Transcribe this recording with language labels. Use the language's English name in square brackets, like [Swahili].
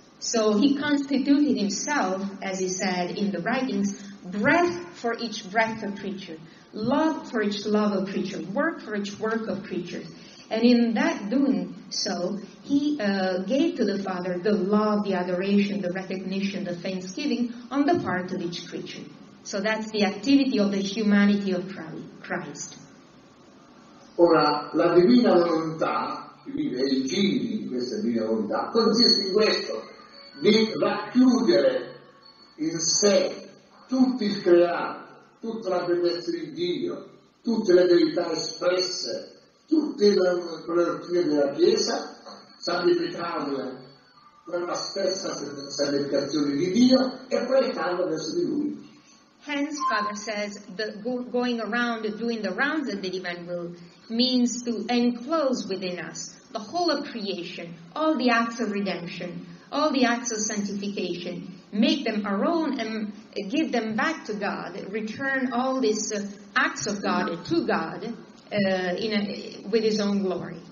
[English] So he constituted himself, as he said in the writings, breath for each breath of creature, love for each love of creature, work for each work of creature. And in that doing so, he gave to the Father the love, the adoration, the recognition, the thanksgiving on the part of each creature. So that's the activity of the humanity of Christ. [Italian] Ora, la divina volontà, quindi il genio di questa divina volontà, consiste in questo, di racchiudere in sé tutto il creato, tutta la bellezza di Dio, tutte le verità espresse, tutte le prerogative della Chiesa, santificarle con la stessa santificazione di Dio e proiettarle verso di Lui. [English] Hence, Father says, the going around and doing the rounds of the divine will means to enclose within us the whole of creation, all the acts of redemption, all the acts of sanctification, make them our own and give them back to God, return all these acts of God to God with his own glory.